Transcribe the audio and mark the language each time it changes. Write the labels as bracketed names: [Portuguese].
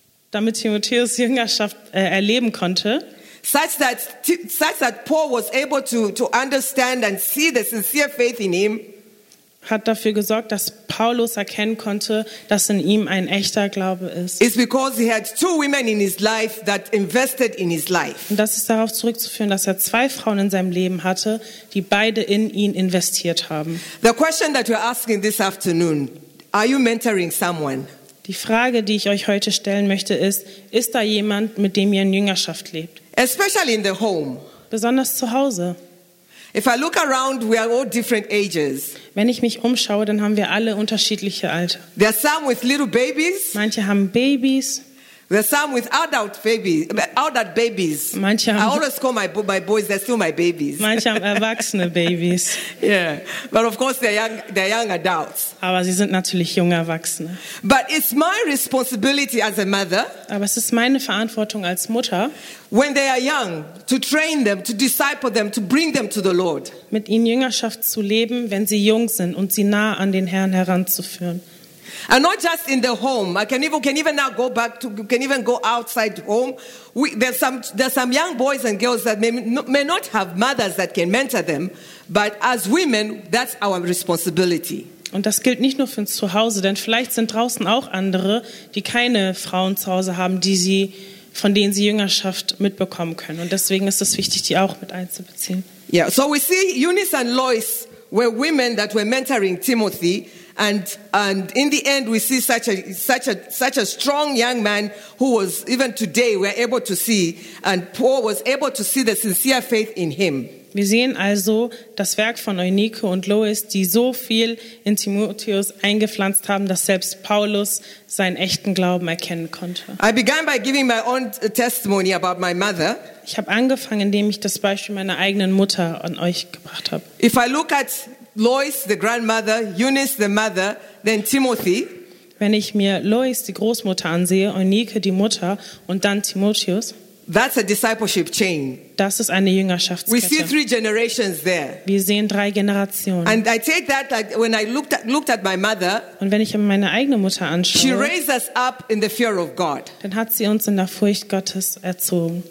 [German] damit Timotheus Jüngerschaft erleben konnte, [English] such that Paul was able to understand and see the sincere faith in him, [German] hat dafür gesorgt, dass Paulus erkennen konnte, dass in ihm ein echter Glaube ist. [English] It's because he had two women in his life that invested in his life. [German] Und das ist darauf zurückzuführen, dass er zwei Frauen in seinem Leben hatte, die beide in ihn investiert haben. [English] The question that you're asking this afternoon, are you mentoring someone? [German] Die Frage, die ich euch heute stellen möchte, ist da jemand, mit dem ihr in Jüngerschaft lebt? [English] Especially in the home. [German] Besonders zu Hause. [English] If I look around, we are all different ages. [German] Wenn ich mich umschaue, dann haben wir alle unterschiedliche Alter. [English] There are some with little babies. [German] Manche haben Babys. [English] There are some with adult babies. [German] Manche haben, [English] I always call my boys, they're still my babies. [German] Manche haben erwachsene Babys. [English] Yeah, but of course they're young adults. [German] Aber sie sind natürlich junge Erwachsene. [English] But it's my responsibility as a mother. [German] Aber es ist meine Verantwortung als Mutter. [English] When they are young, to train them, to disciple them, to bring them to the Lord. [German] Mit ihnen Jüngerschaft zu leben, wenn sie jung sind und sie nah an den Herrn heranzuführen. [English] And not just in the home. I can even go outside home. There's some young boys and girls that may not have mothers that can mentor them, but as women, that's our responsibility. [German] Und das gilt nicht nur für zu Hause, denn vielleicht sind draußen auch andere, die keine Frauen zu Hause haben, von denen sie Jüngerschaft mitbekommen können. Und deswegen ist es wichtig, die auch mit einzubeziehen. [English] Yeah. So we see Eunice and Lois were women that were mentoring Timothy. And in the end, we see such a strong young man who was, even today, we're able to see, and Paul was able to see the sincere faith in him. [German] Wir sehen also das Werk von Eunike und Lois, die so viel in Timotheus eingepflanzt haben, dass selbst Paulus seinen echten Glauben erkennen konnte. [English] I began by giving my own testimony about my mother. [German] Ich habe angefangen, indem ich das Beispiel meiner eigenen Mutter an euch gebracht habe. [English] If I look at Lois, the grandmother, Eunice, the mother, then Timothy. [German] Wenn ich mir Lois, die Großmutter, ansehe, Eunike, die Mutter, und dann Timotheus. [English] That's a discipleship chain. [German] Das ist eine Jüngerschaftskette. [English] We see three generations there. [German] Wir sehen drei Generationen. [English] And I take that like when I looked at my mother. [German] Und wenn ich meine eigene Mutter anschaue. [English] She raised us up in the fear of God. [German] Dann hat sie uns in der Furcht Gottes erzogen.